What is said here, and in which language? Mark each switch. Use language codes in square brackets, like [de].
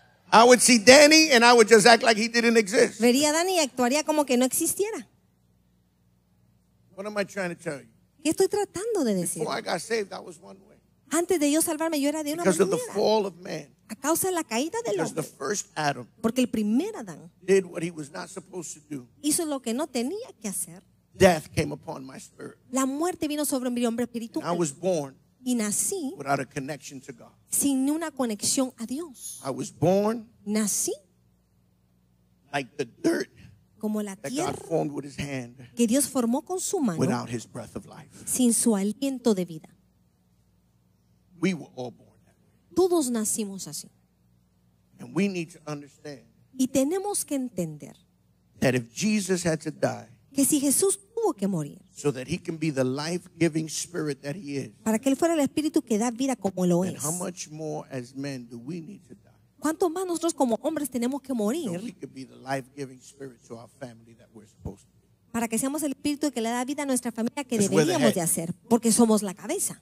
[en] I would see Danny and I would just act like he didn't exist. [es] Vería Danny y actuaría como que no existiera. [en] What am I trying to tell you? [es] ¿Qué estoy tratando de decir? [en] Before I got saved, I was one way. [es] Antes de yo salvarme, yo era de una [en] because [es] manera. [en] Of the fall of man. [es] A causa de la caída del [en] because [es] hombre. [en] The first Adam [es] porque el primer Adán [en] did what he was not supposed to do. [es] Hizo lo que no tenía que hacer. [en] Death came upon my spirit. [es] La muerte vino sobre mi hombre espiritual. [en] I was born. [es] Y nací [en] without a connection to God. [es] Sin una conexión a Dios. [en] I was born [es] nací [en] like the dirt [es] como la tierra [en] that God formed with his hand [es] que Dios formó con su mano [en] without his breath of life. [es] Sin su aliento de vida. [en] We were all born that way. [es] Todos nacimos así. [en] And we need to understand [es] y tenemos que entender [en] that if Jesus had to die [es] que si Jesús tuvo que morir [en] so that he can be the life-giving spirit that he is. [es] Para que él fuera el espíritu que da vida como lo es. [en] And how much more as men do we need to die? [es] ¿Cuánto más nosotros como hombres tenemos que morir? [en] So he can be the life-giving spirit to our family that we're supposed to be. [es] Para que seamos el espíritu que le da vida a nuestra familia que deberíamos de hacer, porque somos la cabeza.